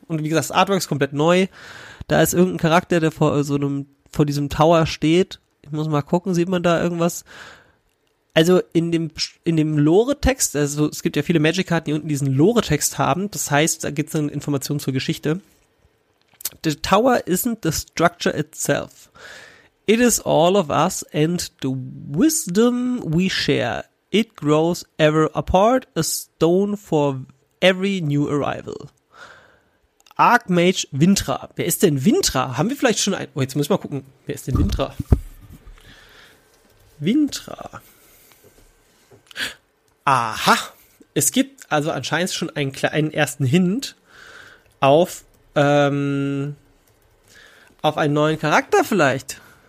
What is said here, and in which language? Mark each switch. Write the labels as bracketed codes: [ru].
[de] Und wie gesagt, das Artwork ist komplett neu. Da ist irgendein Charakter, der vor diesem Tower steht. Ich muss mal gucken, sieht man da irgendwas? Also in dem Lore-Text, also es gibt ja viele Magic-Karten, die unten diesen Lore-Text haben. Das heißt, da gibt es dann Informationen zur Geschichte. [en] The Tower isn't the structure itself. It is all of us and the wisdom we share. It grows ever apart, a stone for every new arrival. [de] Archmage Vintra. Wer ist denn Vintra? Haben wir vielleicht schon einen? Oh, jetzt muss ich mal gucken. Wer ist denn Vintra? Vintra. Aha. Es gibt also anscheinend schon einen ersten Hint auf einen neuen Charakter vielleicht.